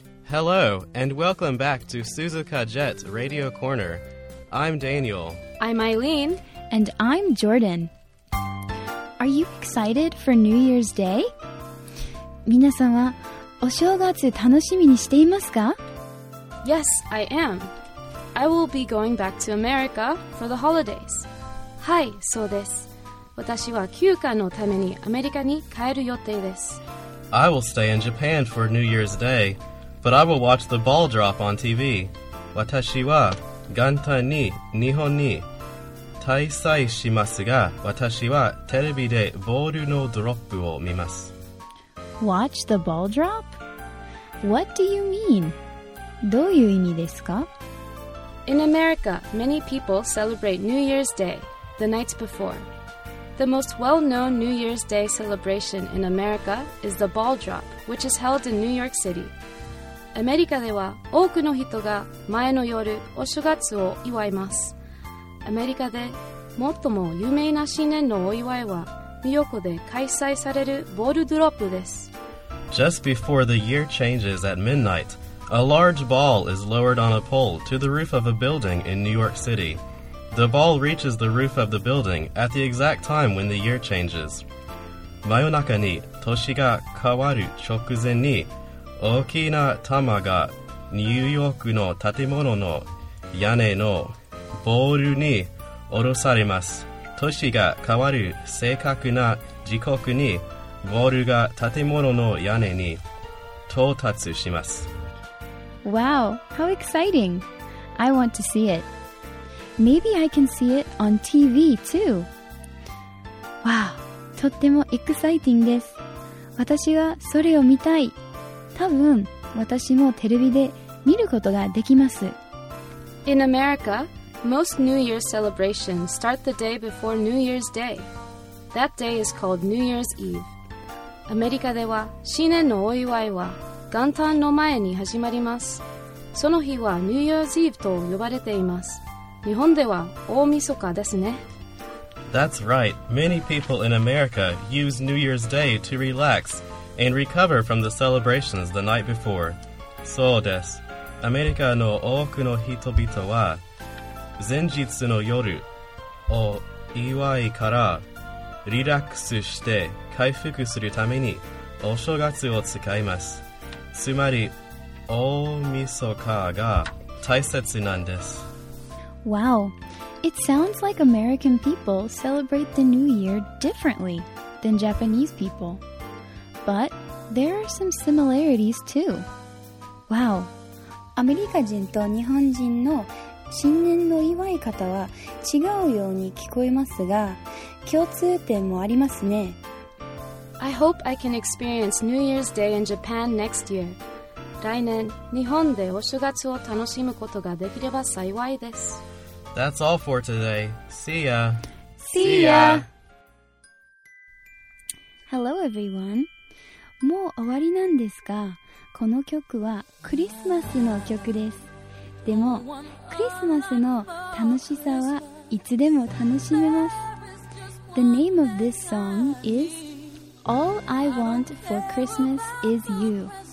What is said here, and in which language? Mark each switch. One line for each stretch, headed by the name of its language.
English: Hello and welcome back to Suzuka Jet Radio Corner. I'm Daniel. I'm Eileen. And I'm Jordan. Are you excited for New Year's Day?
Japanese: 皆さんはお正月楽しみにしていますか?
English: Yes, I am. I will be going back to America for the holidays.
Japanese: はい、そうです。私は休暇のためにアメリカに帰る予定です。
English: I will stay in Japan for New Year's Day, but I will watch the ball drop on TV.
Japanese: 私は元旦に日本に滞在しますが、私はテレビでボールのドロップを見ます。
English: Watch the ball drop? What do you mean?
Japanese: どういう意味ですか?
English: In America, many people celebrate New Year's Day, the night before. The most well-known New Year's Day celebration in America is the ball drop, which is held in New York City.
Japanese: アメリカでは多くの人が前の夜お正月を祝います。アメリカで最も有名な新年のお祝いは横で開催されるボールドロップです。
English: Just before the year changes at midnight, a large ball is lowered on a pole to the roof of a building in New York City. The ball reaches the roof of the building at the exact time when the year changes.
Japanese: 真夜中に年が変わる直前に大きな玉がニューヨークの建物の屋根のボールに下ろされます。年が変わる正確な時刻にボールが建物の屋根に到達します。
English: Wow, how exciting! I want to see it. Maybe I can see it on TV too.
Japanese: Wow, とってもエクサイティングです。私はそれを見たい。多分私もテレビで見ることができます。
English: In America,Most New Year's celebrations start the day before New Year's Day. That day is called New Year's Eve.
Japanese: アメリカでは新年のお祝いは元旦の前に始まります。その日は New Year's Eve と呼ばれています。日本では大晦日ですね。
English: That's right. Many people in America use New Year's Day to relax and recover from the celebrations the night before.
Japanese: そうです。アメリカの多くの人々は前日の夜を祝いからリラックスして回復するためにお正月を使います。つまり大晦日が大切なんです。
English: Wow, it sounds like American people celebrate the New Year differently than Japanese people, but there are some similarities too.
Japanese: Wow, アメリカ人と日本人の新年の祝い方は違うように聞こえますが、共通点もありますね。
English: I hope I can experience New Year's Day in Japan next year.
Japanese: 来年、日本でお正月を楽しむことができれば幸いです。
English: That's all for today. See ya! See ya! Hello everyone!
Japanese: もう終わりなんですが、この曲はクリスマスの曲です。でもクリスマスの楽しさはいつでも楽しめます。
English: The name of this song is All I Want for Christmas is You。